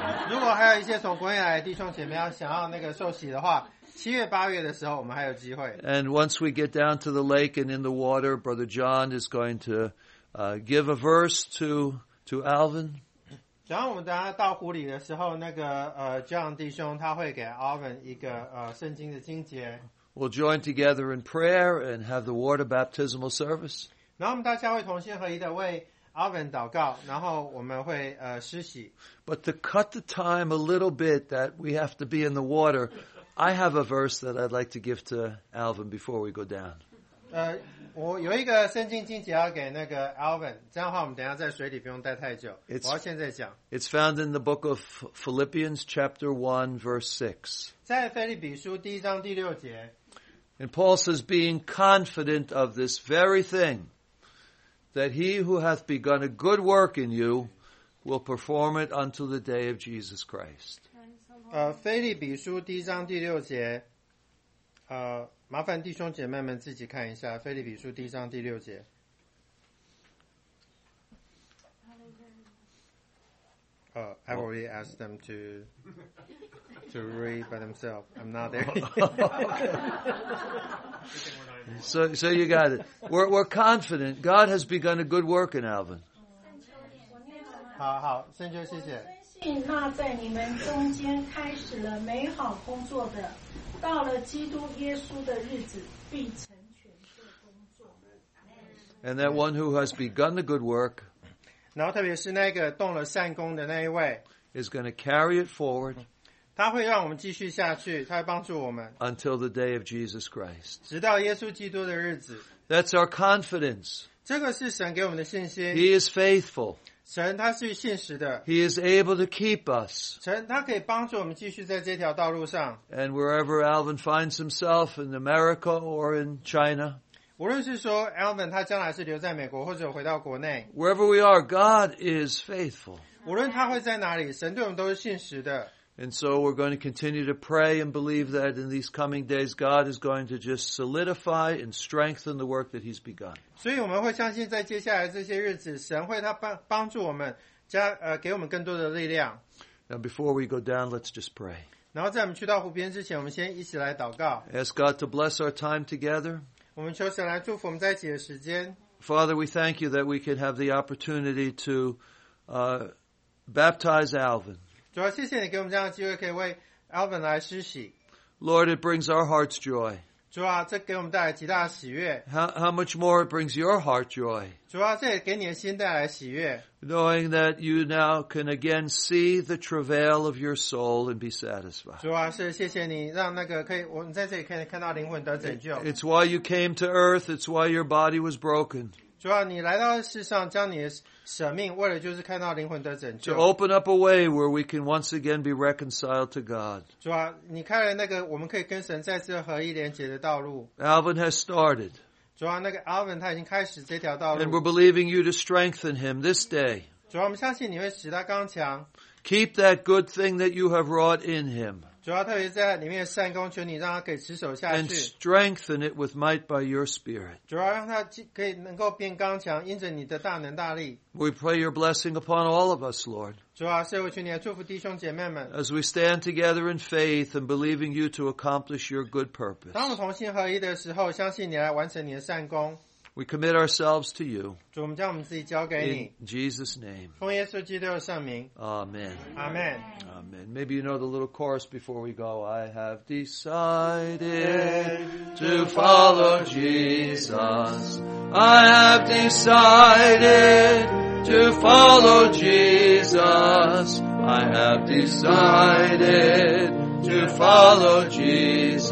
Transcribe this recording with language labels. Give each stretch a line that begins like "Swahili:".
Chinese: 如果还有一些从国内来的弟兄姐妹要想要那个受洗的话，七月八月的时候我们还有机会。
English: And once we get down to the lake and in the water, Brother John is going to give a verse to Alvin.
Chinese: 然后我们等下到湖里的时候，那个John 弟兄他会给 Alvin 一个圣经的经节。
English: We'll join together in prayer and have the water baptismal service.
Chinese: 然后我们大家会同心合一的为 Alvin 祷告，然后我们会施洗。
English: But to cut the time a little bit that we have to be in the water, I have a verse that I'd like to give to Alvin before we go down.
Chinese: 我有一个圣经经节要给那个 Alvin， 这样的话我们等一下在水里不用待太久。我要现在讲。
English: It's found in the book of Philippians chapter 1 verse 6。
Chinese: 在腓立比书第一章第六节。
English: And Paul says, being confident of this very thing, that he who hath begun a good work in you will perform it until the day of Jesus Christ.
Chinese: 腓立比书第一章第六节。麻烦弟兄姐妹们自己看一下《腓立比书》第一章第六节。
English: I already asked them to read by themselves. I'm not there. So you got it. We're confident. God has begun a good work in Alvin.
Chinese: 好，圣秋，谢谢。信他在你们中间开始了美好工作的，到了基督耶稣的日子必成全这工作。
English: And that one who has begun the good work，
Chinese: 然后特别是那个动了善功的那一位
English: ，is going to carry it forward，
Chinese: 他会让我们继续下去，他会帮助我们
English: ，until the day of Jesus Christ，
Chinese: 直到耶稣基督的日子。
English: That's our confidence，
Chinese: 这个是神给我们的信心。
English: He is faithful。
Chinese: 神他是信实的。
English: He is able to keep us.
Chinese: 神他可以帮助我们继续在这条道路上。
English: And wherever Alvin finds himself in America or in China,
Chinese: 无论是说 Alvin 他将来是留在美国或者回到国内。
English: Wherever we are, God is faithful.
Chinese: 无论他会在哪里，神对我们都是信实的。
English: And so we're going to continue to pray and believe that in these coming days, God is going to just solidify and strengthen the work that He's begun.
Chinese: 所以我们会相信在接下来这些日子，神会他帮助我们，给我们更多的力量。
English: Now before we go down, let's just pray.
Chinese: 然后在我们去到湖边之前，我们先一起来祷告。
English: Ask God to bless our time together.
Chinese: 我们求神来祝福我们在一起的时间。
English: Father, we thank you that we could have the opportunity to baptize Alvin.
Chinese: 主要谢谢你给我们这样的机会，可以为 Alvin 来施洗。
English: Lord, it brings our hearts joy.
Chinese: 主啊，这给我们带来极大的喜悦。
English: How much more it brings your heart joy?
Chinese: 主啊，这也给你的心带来喜悦。
English: Knowing that you now can again see the travail of your soul and be satisfied.
Chinese: 主啊，是谢谢你让那个可以，我们在这里可以看到灵魂得拯救。
English: It's why you came to earth. It's why your body was broken.
Chinese: 主啊，你来到世上，将你的生命为了就是看到灵魂的拯救。
English: To open up a way where we can once again be reconciled to God.
Chinese: 主啊，你开了那个我们可以跟神再次合一连结的道路。
English: Alvin has started.
Chinese: 主啊，那个 Alvin 他已经开始这条道路。
English: And we're believing you to strengthen him this day.
Chinese: 主啊，我们相信你会使他刚强。
English: Keep that good thing that you have wrought in him.
Chinese: 主啊，特别在里面的善功，求你让他可以持守下去。
English: And strengthen it with might by your spirit.
Chinese: 主啊，让他可以能够变刚强，因着你的大能大力。
English: We pray your blessing upon all of us, Lord.
Chinese: 主啊，所以我求你来祝福弟兄姐妹们。
English: As we stand together in faith and believing you to accomplish your good purpose.
Chinese: 当我们同心合一的时候，相信你来完成你的善功。
English: We commit ourselves to you.
Chinese: 主，我们将我们自己交给你。
English: In Jesus' name.
Chinese: 奉耶稣基督的圣名。
English: Amen. Amen. Amen. Maybe you know the little chorus before we go. I have decided to follow Jesus. I have decided to follow Jesus. I have decided to follow Jesus.